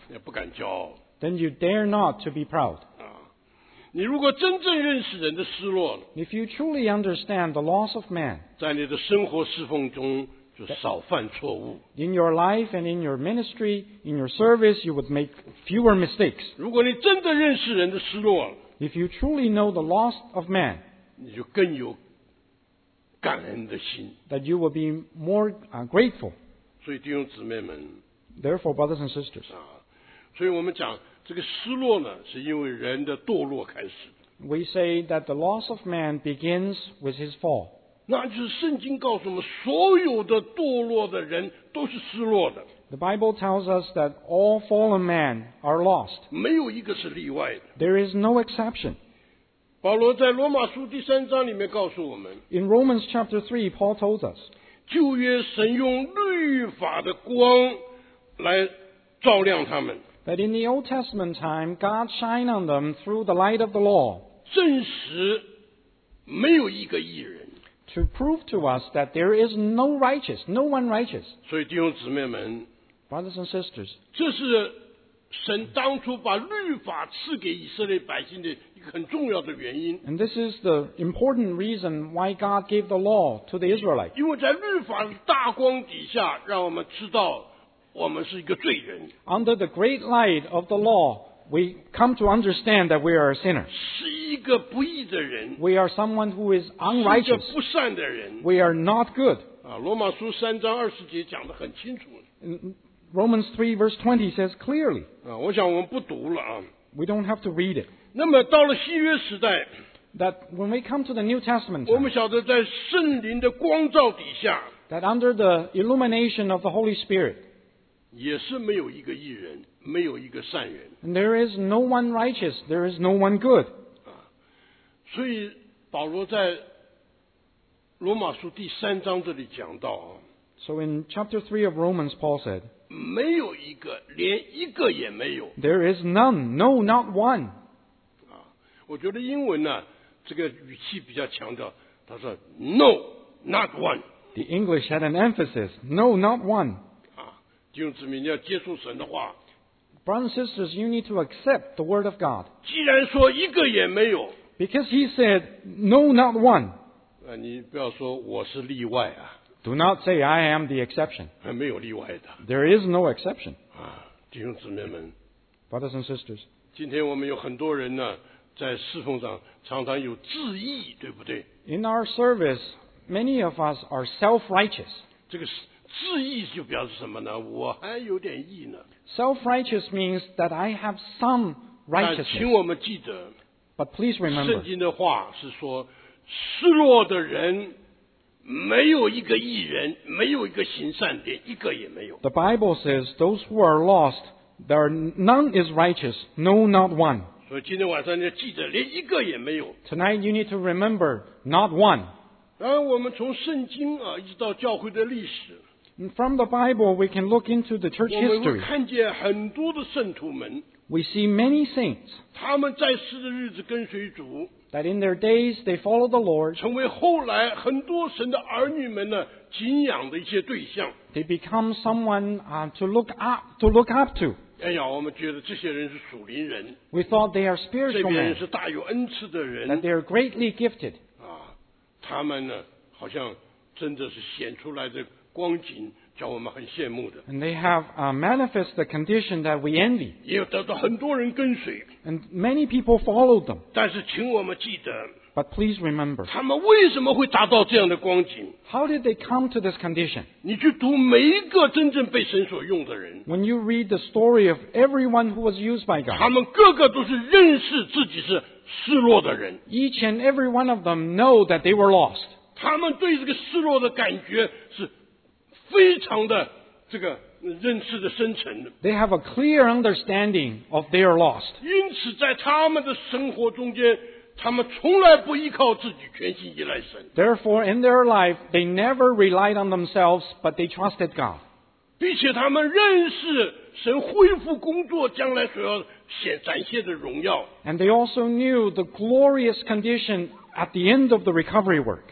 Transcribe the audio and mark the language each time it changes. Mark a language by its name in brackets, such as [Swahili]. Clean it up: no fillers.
[Chinese] 也不敢骄傲 [English] Then you dare not to be proud. [Chinese] 你如果真正认识人的失落 [English] If you truly understand the loss of man, [Chinese] 在你的生活侍奉中就少犯错误 [English] In your life and in your ministry, in your service, you would make fewer mistakes. [Chinese] 如果你真的认识人的失落 [English] If you truly know the loss of man, [Chinese] 你就更有感恩的心 [English] That you will be more grateful. [Chinese] 所以弟兄姊妹们 [English] Therefore, brothers and sisters, [Chinese] 所以我们讲这个失落呢，是因为人的堕落开始。 [English] We say that the loss of man begins with his fall. [Chinese] 那就是圣经告诉我们，所有的堕落的人都是失落的。 [English] The Bible tells us that all fallen men are lost. [Chinese] 没有一个是例外的。 [English] There is no exception. [Chinese] 保罗在罗马书第三章里面告诉我们。 [English] In Romans chapter 3, Paul told us. [Chinese] 旧约神用律法的光来照亮他们。 [English] That in the Old Testament time, God shined on them through the light of the law. [Chinese] 证实没有一个义人。 [English] To prove to us that there is no righteous, no one righteous. [Chinese] 所以弟兄姊妹们 [English] Brothers and sisters, [Chinese] 这是神当初把律法赐给以色列百姓的一个很重要的原因。 [English] And this is the important reason why God gave the law to the Israelites. [Chinese] 因为在律法的大光底下让我们知道我们是一个罪人。 [English] Under the great light of the law, we come to understand that we are a sinner. [Chinese] 是一个不义的人。 [English] We are someone who is unrighteous. [Chinese] 是一个不善的人。 [English] We are not good. [Chinese] 罗马书三章二十节讲得很清楚。 [English] Romans 3 verse 20 says clearly. [Chinese] 我想我们不读了啊。 [English] We don't have to read it. [Chinese] 那么到了新约时代。 [English] That when we come to the New Testament. [Chinese] 我们晓得在圣灵的光照底下。 [English] That under the illumination of the Holy Spirit. [Chinese] 也是没有一个义人，没有一个善人。 [English] And there is no one righteous, there is no one good. [Chinese] 所以保罗在罗马书第三章这里讲到 [English] So in chapter 3 of Romans, Paul said, [Chinese] 没有一个，连一个也没有。 [English] There is none, no, not one. [Chinese] 我觉得英文呢，这个语气比较强调，他说 [English] no, not one. The English had an emphasis, no, not one. [Chinese] 弟兄姊妹，你要接受神的话。 [English] Brothers and sisters, you need to accept the word of God. [Chinese] 既然说一个也没有。 [English] Because he said, no, not one. [Chinese] 你不要说我是例外啊。 [English] Do not say I am the exception. [Chinese] 没有例外的。 [English] There is no exception. [Chinese] 弟兄姊妹们。 [English] Brothers and sisters. [Chinese] 今天我们有很多人呢，在侍奉上常常有自义，对不对 [English] ？In our service, many of us are self-righteous. [Chinese] 这个是。自义就表示什么呢？我还有点义呢。 [English] Self-righteous means that I have some righteousness. [Chinese] 请我们记得 [English] ，But please remember， [Chinese] 圣经的话是说，失落的人没有一个义人，没有一个行善的，一个也没有。 [English] The Bible says those who are lost, there are none is righteous, no, not one. [Chinese] 所以今天晚上你要记得，连一个也没有。 [English] Tonight you need to remember, not one. [Chinese] 然后我们从圣经啊，一直到教会的历史。 [English] From the Bible, we can look into the church history. [Chinese] 我们会看见很多的圣徒们。 [English] We see many saints. [Chinese] 他们在世的日子跟随主。 [English] That in their days they follow the Lord. [Chinese] 成为后来很多神的儿女们呢敬仰的一些对象。 [English] They become someone to look up to. [Chinese] 哎呀，我们觉得这些人是属灵人。 [English] We thought they are spiritual men. [Chinese] 这边人是大有恩赐的人。 [English] That they are greatly gifted. [Chinese] 啊，他们呢好像真的是显出来的光景，叫我们很羡慕的。 [English] And they have manifested the condition that we envy. [Chinese] 也得到很多人跟随。 [English] And many people followed them. [Chinese] 但是请我们记得。 [English] But please remember. [Chinese] 他们为什么会达到这样的光景？ [English] How did they come to this condition? [Chinese] 你去读每一个真正被神所用的人。 [English] When you read the story of everyone who was used by God. [Chinese] 他们个个都是认识自己是失落的人。 [English] Each and every one of them know that they were lost. [Chinese] 他们对这个失落的感觉是非常的这个认识的深层。 [English] They have a clear understanding of their loss. [Chinese] 因此在他们的生活中间，他们从来不依靠自己，全心依赖神。 [English] Therefore, in their life, they never relied on themselves, but they trusted God. [Chinese] 并且他们认识神恢复工作将来所要显展现的荣耀。 [English] And they also knew the glorious condition at the end of the recovery work.